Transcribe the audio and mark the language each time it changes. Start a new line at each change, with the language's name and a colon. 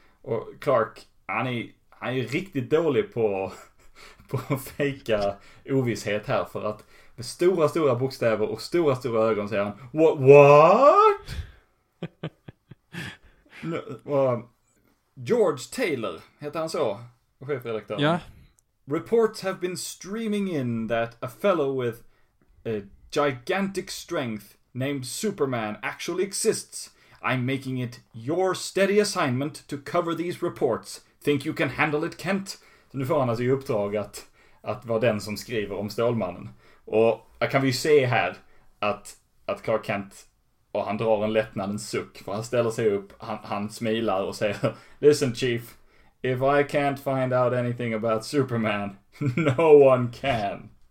Swedish: Och Clark, han är riktigt dålig på att fejka ovisshet här, för att med stora, stora bokstäver och stora, stora ögon säger han, what? George Taylor, heter han så, chefredaktör. Ja.
English: Reports have been streaming in that a fellow with a gigantic strength named Superman actually exists. I'm making it your steady assignment to cover these reports. Think you can handle it, Kent?
Swedish: Så nu får han alltså i uppdrag att vara den som skriver om Stålmannen. Och jag kan ju se här att Clark Kent, och han drar en lättnadens suck, för han ställer sig upp, han smilar och säger,
English: listen chief, if I can't find out anything about Superman, no one can.